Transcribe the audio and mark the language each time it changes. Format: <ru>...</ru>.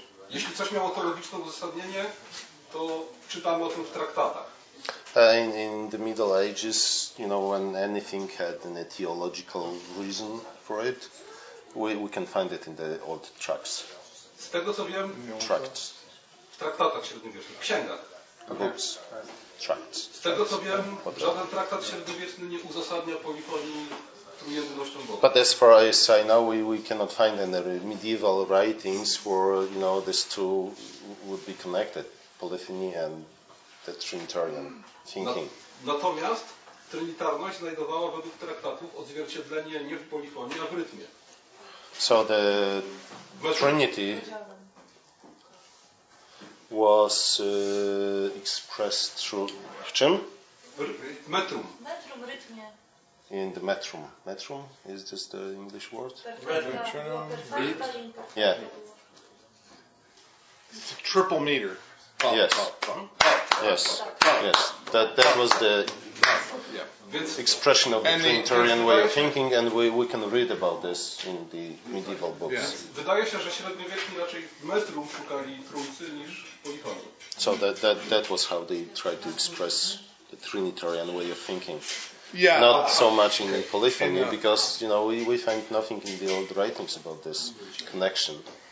<pl>Jeśli coś miało teologiczne uzasadnienie, to czytamy o tym w traktatach.</pl> <en>In the Middle Ages, you know, when anything had a theological reason for it, we can find it in the old tracts.</en> <pl>Z tego co wiem,</pl> <en>tracts.</en> <pl>W traktatach średniowiecznych, księgach.</pl> <en>Books. Tracts.</en> <pl>Z tego co wiem, żaden traktat średniowieczny nie uzasadnia polifonii.</pl> <en>But as far as I know, we cannot find any medieval writings where, you know, these two would be connected, polyphony and the Trinitarian thinking.</en> <pl>Natomiast trinitarność znajdowała według traktatów odzwierciedlenie nie w polifonii, a w rytmie.</pl> <en>So the Trinity was expressed through,</en> <pl>w czym? Metrum. Metrum, rytmie.</pl> <en>In the metrum. Metrum? Is this the English word?</en> <pl>Metrum.</pl> <en>Yeah. It's a triple meter. Yes. That was the expression of the Trinitarian way of thinking, and we can read about this in the medieval books.</en> <pl>Wydaje się, że średniowieczni raczej metrum szukali trójcy niż polifonii.</pl> <en>So that was how they tried to express the Trinitarian way of thinking. Yeah, not so much in the polyphony, because, you know, we find nothing in the old writings about this connection.</en>